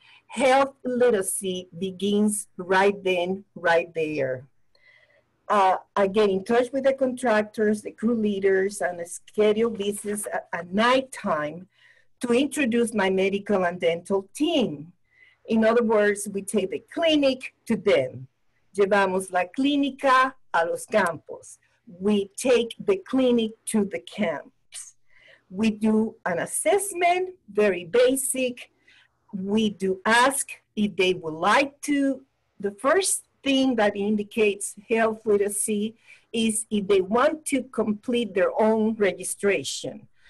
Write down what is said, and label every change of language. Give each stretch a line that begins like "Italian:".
English: Health literacy begins right then, right there. I get in touch with the contractors, the crew leaders, and I schedule visits at nighttime to introduce my medical and dental team. In other words, we take the clinic to them.
Spanish: Llevamos la clínica a los campos.
English: We take the clinic to the camps. We do an assessment, very basic. We do ask if they would like to. The first thing that indicates health literacy is if they want to complete their own registration.